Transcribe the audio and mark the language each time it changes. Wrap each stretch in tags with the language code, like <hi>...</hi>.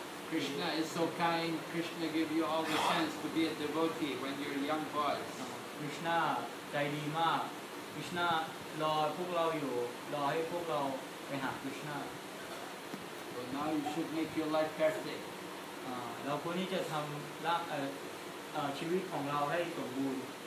<en>Krishna is so kind. Krishna give you all the chance to be a devotee when you're young boys.</en> <th>Krishna, ใจดีมาก Krishna รอพวกเราอยู่รอให้พวกเราไปหา Krishna.</th> <en>So now you should make your life perfect.</en> <th>เราควรที่จะทำละชีวิตของเราให้สมบูรณ์</th>